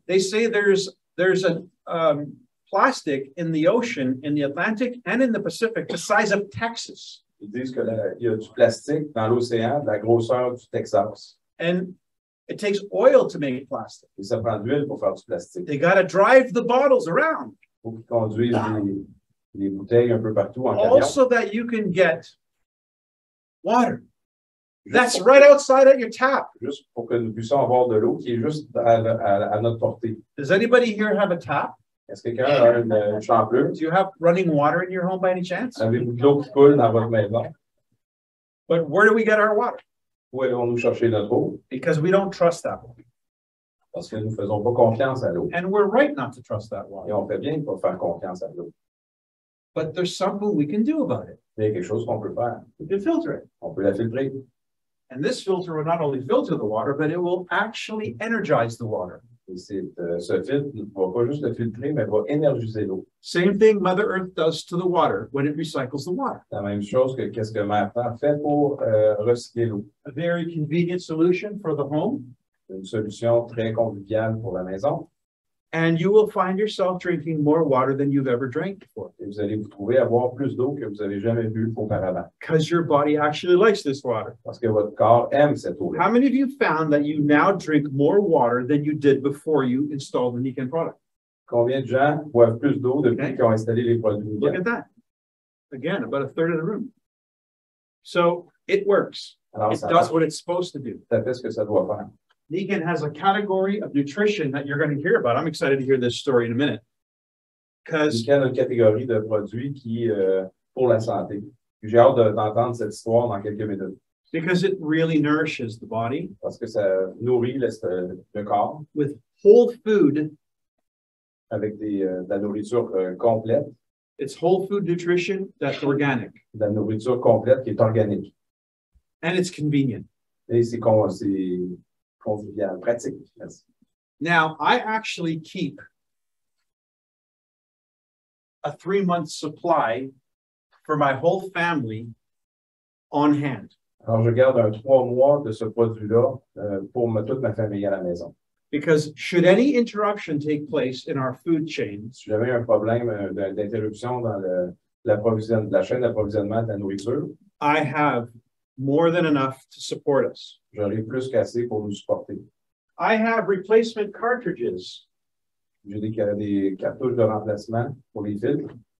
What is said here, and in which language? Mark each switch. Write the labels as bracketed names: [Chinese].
[English] They say there's a plastic in the ocean, in the Atlantic, and in the Pacific, the size of Texas. [French] Ils disent que il y a du plastique dans l'océan, la grosseur du Texas. [English] And it takes oil to make plastic. [French] Et ça prend de l'huile pour faire du plastique. [English] They got to drive the bottles around. [French] Pour qu'ils conduisent les bouteilles un peu partout en camion. [English] Also that you can get water. That's right outside at your tap. [French] Juste pour que nous puissions avoir de l'eau qui est juste à notre portée. [English] Does anybody here have a tap? [French] Est-ce que quelqu'un a une chambre? [English] Do you have running water in your home by any chance? [French] Avez-vous de l'eau qui coule dans votre maison? [English] But where do we get our water? [French] Où allons-nous chercher notre eau? [English] Because we don't trust that water. [French] Parce que nous ne faisons pas confiance à l'eau. [English] And we're right not to trust that water. [French] Et on fait bien pour faire confiance à l'eau. [English] But there's something we can do about it. [French] Mais il y a quelque chose qu'on peut faire. [English] We can filter it. [French] On peut la filtrer. [English] And this filter will not only filter the water, but it will actually energize the water. [French] Ce filtre ne va pas juste le filtrer, mais va énergiser l'eau. [English] Same thing Mother Earth does to the water when it recycles the water. [French] La même chose que qu'est-ce que Mère Terre fait pour recycler l'eau. [English] A very convenient solution for the home. [French] Une solution très conviviale pour la maison. [English] And you will find yourself drinking more water than you've ever drank before. [French] Et vous allez vous trouver à boire plus d'eau que vous avez jamais bu auparavant. [English] Because your body actually likes this water. [French] Parce que votre corps aime cette eau. [English] How many of you found that you now drink more water than you did before you installed the Nikan product? [French] Combien de gens boivent plus d'eau depuis okay. qu'ils ont installé les produits Nikan? [English] Look at that. Again, about a third of the room. So it works. [French] Alors, [English] it does what it's supposed to do. [French] Ça fait ce que ça doit faire. [English] Nikan has a category of nutrition that you're going to hear about. I'm excited to hear this story in a minute. [French] Nikan a une catégorie de produits qui pour la santé. J'ai hâte d'entendre cette histoire dans quelques minutes. [English] Because it really nourishes the body. [French] Parce que ça nourrit le corps. [English] With whole food. [French] Avec de la nourriture complète. [English] It's whole food nutrition that's organic. [French] De la nourriture complète qui est organique. [English] And it's convenient. [French] Et c'est comment c'est convivial, pratique. Yes. [English] Now, I actually keep a 3-month supply for my whole family on hand. [French] Alors, je garde un 3 mois de ce produit-là pour toute ma famille à la maison. [English] Because should any interruption take place in our food chain, [French] si j'avais un problème d'interruption dans la chaîne d'approvisionnement de la nourriture, [English] I have more than enough to support us. [French] J'aurai plus qu'assez pour nous supporter. [English] I have replacement cartridges. [French] Je dis qu'il y a des cartouches de remplacement pour les filtres.